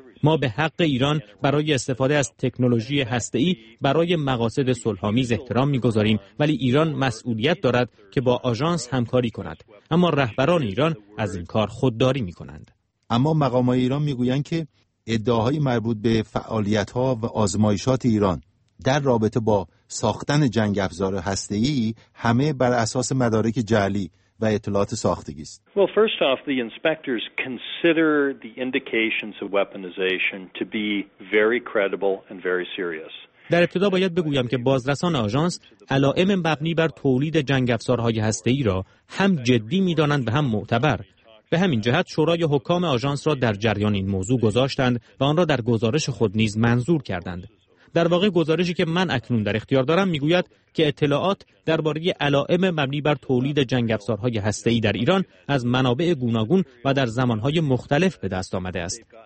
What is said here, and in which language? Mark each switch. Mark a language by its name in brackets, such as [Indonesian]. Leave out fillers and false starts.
[Persian] ما به حق ایران برای استفاده از تکنولوژی هسته‌ای برای مقاصد صلح‌آمیز احترام می‌گذاریم، ولی ایران مسئولیت دارد که با آژانس همکاری کند، اما رهبران ایران از این کار خودداری می‌کنند. اما مقامات ایران می‌گویند که ادعاهای مربوط به فعالیت‌ها و آزمایشات ایران در رابطه با ساختن جنگ افزار هسته‌ای همه بر اساس مدارک جعلی و اطلاعات ساختگی است. [English] Well, first off, the inspectors consider the indications of weaponization to be very credible and very serious. [Persian] در ابتدا باید بگویم که بازرسان آژانس علائم مبنی بر تولید جنگ‌افزارهای هسته‌ای را هم جدی می‌دانند و هم معتبر. به همین جهت شورای حکام آژانس را در جریان این موضوع گذاشتند و آن را در گزارش خود نیز منظور کردند. در واقع گزارشی که من اکنون در اختیار دارم میگوید که اطلاعات درباره علائم مبنی بر تولید جنگ‌افزارهای هسته‌ای در ایران از منابع گوناگون و در زمانهای مختلف به دست آمده است.